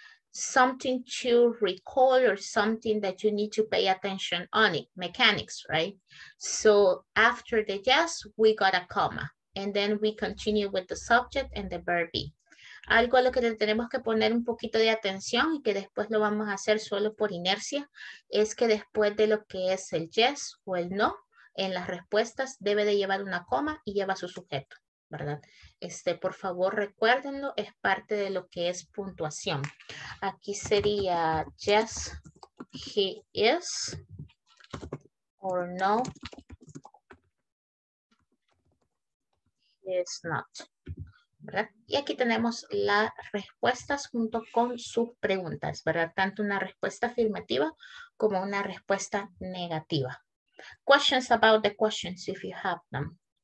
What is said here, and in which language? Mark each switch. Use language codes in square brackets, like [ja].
[en] Something to recall or something that you need to pay attention on it. Mechanics, right? So after the yes, we got a comma. And then we continue with the subject and the verb be. [es] Algo a lo que tenemos que poner un poquito de atención y que después lo vamos a hacer solo por inercia, es que después de lo que es el yes o el no, en las respuestas debe de llevar una coma y lleva su sujeto, ¿verdad? Por favor, recuérdenlo, es parte de lo que es puntuación. Aquí sería [en] yes, he is, or no, he is not, ¿verdad? [es] Y aquí tenemos las respuestas junto con sus preguntas, ¿verdad? Tanto una respuesta afirmativa como una respuesta negativa. [en] Questions about the questions, if you have them.